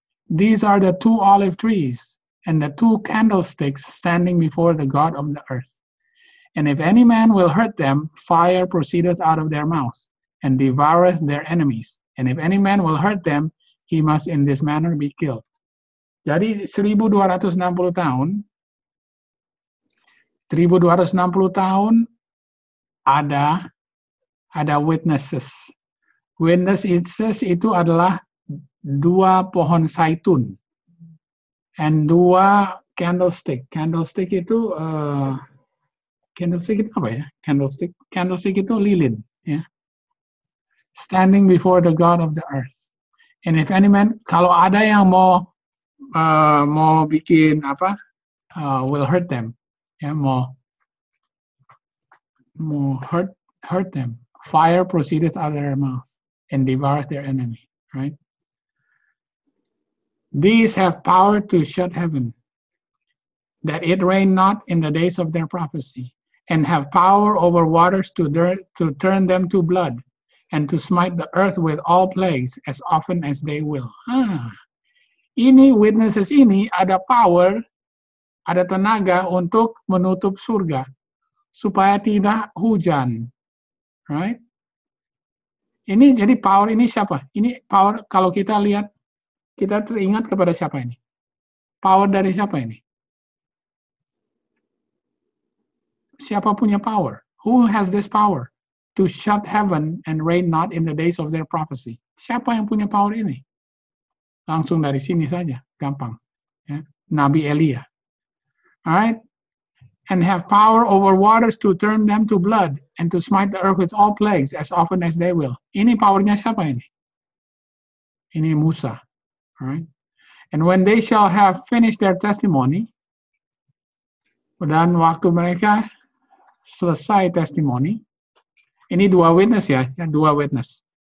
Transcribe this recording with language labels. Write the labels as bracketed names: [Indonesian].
[English] These are the two olive trees and the two candlesticks standing before the God of the earth. And if any man will hurt them, fire proceedeth out of their mouth and devoureth their enemies. And if any man will hurt them, he must in this manner be killed. [Indonesian] Jadi 1260 tahun, 1260 tahun ada witnesses. Witnesses itu adalah dua pohon zaitun and dua candlestick. Candlestick itu candlestick itu lilin, ya. Yeah. [English] Standing before the God of the earth. And if any man, [Indonesian] kalau ada yang mau bikin apa, [English] will hurt them, ya, yeah, [Indonesian] mau [English] hurt them. Fire proceedeth out of their mouth and devour their enemy, right? These have power to shut heaven, that it rain not in the days of their prophecy, and have power over waters to turn them to blood, and to smite the earth with all plagues as often as they will. [Indonesian] Ini witnesses ini ada power, ada tenaga untuk menutup surga, supaya tidak hujan, [English] right? [Indonesian] Ini jadi power ini siapa? Ini power kalau kita lihat, kita teringat kepada siapa ini? Power dari siapa ini? Siapa punya power? [English] Who has this power? To shut heaven and rain not in the days of their prophecy. [Indonesian] Siapa yang punya power ini? Langsung dari sini saja, gampang. Ya. Nabi Elia. [English] Alright? And have power over waters to turn them to blood and to smite the earth with all plagues as often as they will. [Indonesian] Ini powernya siapa ini? Ini Musa. [English] Alright. And when they shall have finished their testimony, [Indonesian] dan waktu mereka selesai testimony, ini dua witness ya, dua witness.